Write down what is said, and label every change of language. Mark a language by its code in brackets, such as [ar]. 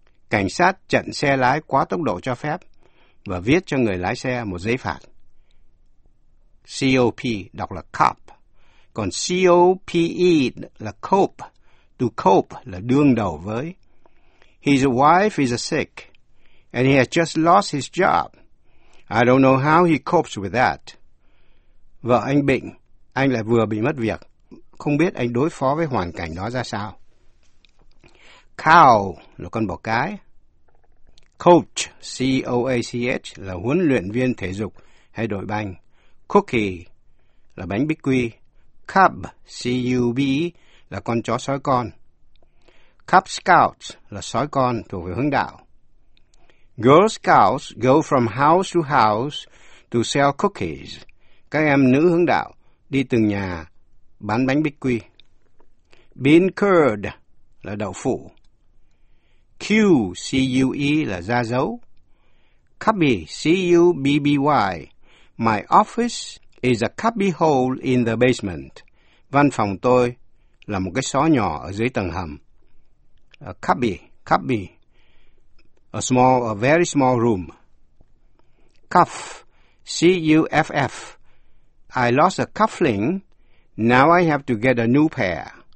[vi] Cảnh sát chặn xe lái quá tốc độ cho phép và viết cho người lái xe một giấy phạt. C-O-P đọc là cop, còn C-O-P-E là cope, to cope là đương đầu với. [en] His wife is sick, and he has just lost his job. I don't know how he copes with that. [vi] Vợ anh bệnh, anh lại vừa bị mất việc. Không biết anh đối phó với hoàn cảnh đó ra sao. Cow là con bò cái. Coach, C-O-A-C-H, là huấn luyện viên thể dục hay đội banh. Cookie là bánh bích quy. Cub, C-U-B, là con chó sói con. [en] Cub Scouts [vi] là sói con thuộc về hướng đạo. [en] Girl Scouts go from house to house to sell cookies. [vi] Các em nữ hướng đạo đi từng nhà bán bánh bích quy. Bean curd là đậu phụ. Q-C-U-E là da dấu. [en] Cubby, C-U-B-B-Y. My office is a cubby hole in the basement. [vi] Văn phòng tôi là một cái xó nhỏ ở dưới tầng hầm. [en] A cubby, cubby. A small, a very small room. Cuff, C-U-F-F. I lost a cuffling. Now I have to get a new pair.